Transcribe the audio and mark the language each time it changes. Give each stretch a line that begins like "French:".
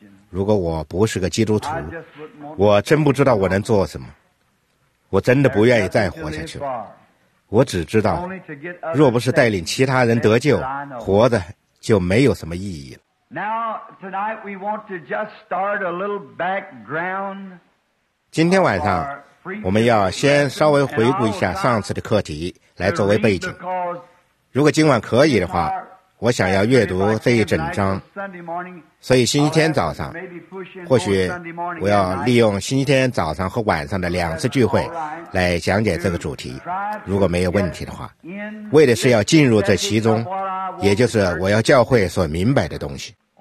Chinese: 如果我不是个基督徒，我真不知道我能做什么。我真的不愿意再活下去了。我只知道，若不是带领其他人得救，活的就没有什么意义了。
English: Now, tonight we want to just start a little background.
Chinese: 今天晚上我们要先稍微回顾一下上次的课题来作为背景。如果今晚可以的话，我想要阅读这一整章。所以星期天早上，或许我要利用星期天早上和晚上的两次聚会来讲解这个主题，如果没有问题的话，为的是要进入这其中，也就是我要教会所明白的东西。